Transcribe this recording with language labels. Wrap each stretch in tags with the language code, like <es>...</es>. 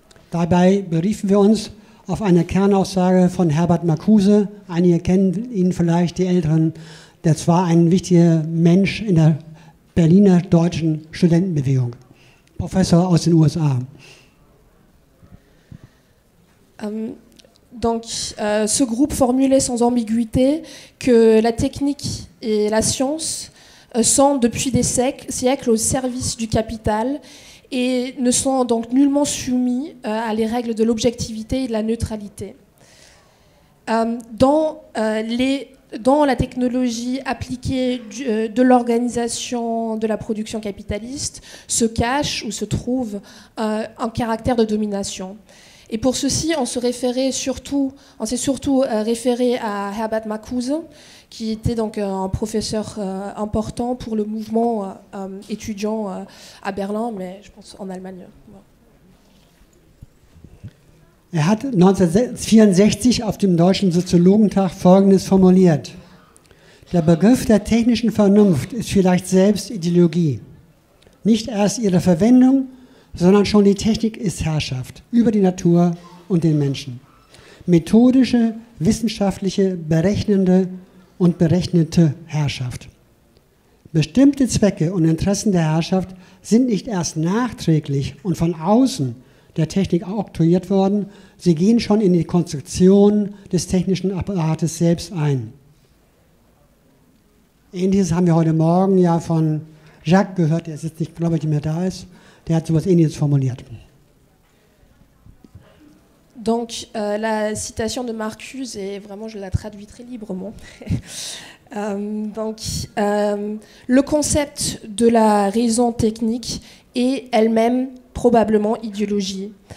<de>Dabei beriefen wir uns auf eine Kernaussage von Herbert Marcuse, einige kennen ihn vielleicht, die Älteren, der zwar ein wichtiger Mensch in der Berliner deutschen Studentenbewegung, Professor aus den USA.</de> <fr>Ce groupe formulait sans ambiguïté que la technique et la science sont depuis des siècles au service du capital et ne sont donc nullement soumis à les règles de l'objectivité et de la neutralité. Dans la technologie appliquée de l'organisation de la production capitaliste se cache ou se trouve un caractère de domination. Et pour ceci, on s'est surtout référé à Herbert Marcuse, qui était donc un professeur important pour le mouvement étudiant à Berlin, mais je pense en Allemagne. Ouais.</fr> <de>Er hat 1964 auf dem Deutschen Soziologentag Folgendes formuliert. Der Begriff der technischen Vernunft ist vielleicht selbst Ideologie. Nicht erst ihre Verwendung, sondern schon die Technik ist Herrschaft über die Natur und den Menschen. Methodische, wissenschaftliche, berechnende und berechnete Herrschaft. Bestimmte Zwecke und Interessen der Herrschaft sind nicht erst nachträglich und von außen der Technik oktroyiert worden, sie gehen schon in die Konstruktion des technischen Apparates selbst ein. Ähnliches haben wir heute Morgen ja von Jacques gehört, der ist jetzt nicht, glaube ich, mehr da ist. Der hat sowas Ähnliches formuliert.</de> <fr>Donc, la citation de Marcuse est vraiment, je la traduis très librement. le concept de la raison technique est elle-même probablement idéologie.</fr>